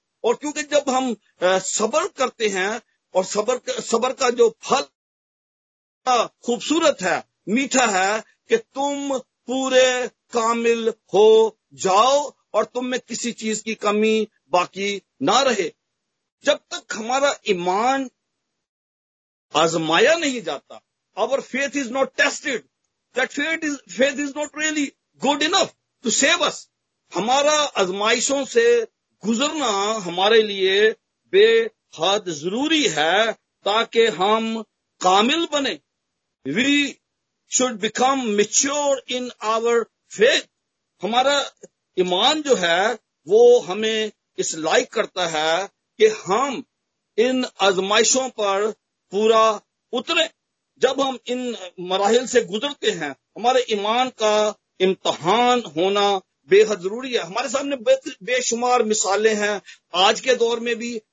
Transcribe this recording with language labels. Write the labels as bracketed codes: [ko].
[ur] اور کیونکہ جب ہم صبر کرتے ہیں اور صبر کا جو پھل خوبصورت ہے, میٹھا ہے, کہ تم پورے کامل ہو جاؤ اور تم میں کسی چیز کی کمی باقی نہ رہے. جب تک ہمارا ایمان آزمایا نہیں جاتا, [en] our faith is not tested, that faith is not really good enough to save us. [ur] ہمارا آزمائشوں سے گزرنا ہمارے لیے بے حد ضروری ہے تاکہ ہم کامل بنیں. [en] We should become mature in our faith. [ur] ہمارا ایمان جو ہے وہ ہمیں اس لائق کرتا ہے کہ ہم ان آزمائشوں پر پورا اتریں. جب ہم ان مراحل سے گزرتے ہیں, ہمارے ایمان کا امتحان ہونا بے حد ضروری ہے. ہمارے سامنے بے شمار مثالیں ہیں آج کے دور میں بھی,